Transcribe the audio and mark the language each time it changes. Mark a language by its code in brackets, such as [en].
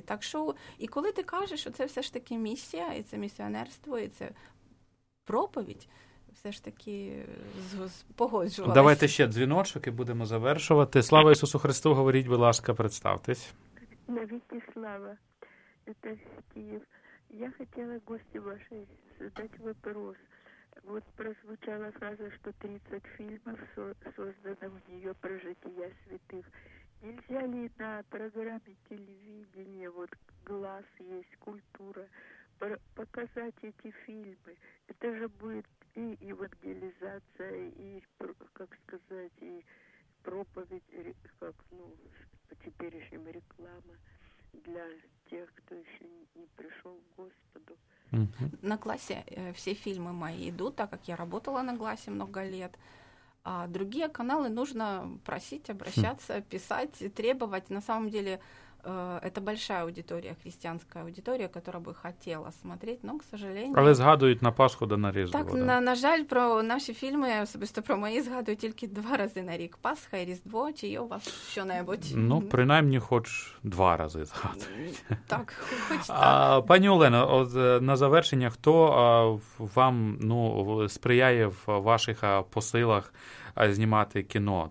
[uk] Так що, і коли ти кажеш, що це все ж таки місія, і це місіонерство, і це проповідь, все ж таки погоджувалася. Давайте ще дзвіночок і будемо завершувати. Слава Ісусу Христу, говоріть, будь ласка, представтесь. Навіки слава. [ru] Это Киев. Я хотела гостю вашей задать вопрос. Вот прозвучала фраза, что 30 фильмов создано в нее про жития святых. Нельзя ли на программе телевидения, вот глаз есть, культура, показать эти фильмы? Это же будет и евангелизация, и, как сказать, и проповедь, как, ну, по теперешнему реклама. Для тех, кто еще не пришел к Господу. На классе все фильмы мои идут, так как я работала на классе много лет. А другие каналы нужно просить, обращаться, писать, требовать. На самом деле это большая аудитория, христианская аудитория, которая бы хотела смотреть, но, к сожалению... [uk] Але згадують на Пасху да на Різдво. Так, да. На жаль, про наші фільми, особисто про мої, згадують тільки два рази на рік. Пасха і Різдво, чи є у вас що-небудь? Ну, принаймні, хоч два рази згадують. Так, хоч так. А, пані Олена, от, на завершення, хто вам, ну, сприяє в ваших посилах знімати кіно?